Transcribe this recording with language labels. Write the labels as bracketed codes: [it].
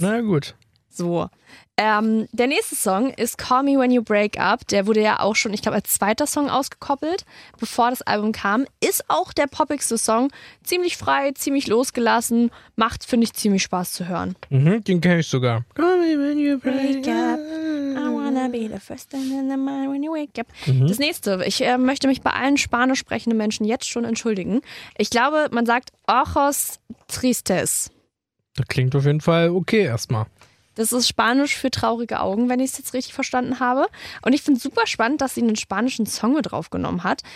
[de] Na gut. So. Der nächste Song ist Call Me When You Break Up. Der wurde ja auch schon, ich glaube, als zweiter Song ausgekoppelt, bevor das Album kam. Ist auch der poppigste Song. Ziemlich frei, ziemlich losgelassen. Macht, finde ich, ziemlich Spaß zu hören. Den kenne ich sogar. [en] Call me when you break up. I wanna be the first thing in the mind when you wake up. [de] Das nächste. Ich möchte mich bei allen spanisch sprechenden Menschen jetzt schon entschuldigen. Ich glaube, man sagt Ojos Tristes. Das klingt auf jeden Fall okay erstmal. Das ist Spanisch für traurige Augen, wenn ich es jetzt richtig verstanden habe. Und ich finde super spannend, dass sie einen spanischen Song mit draufgenommen hat.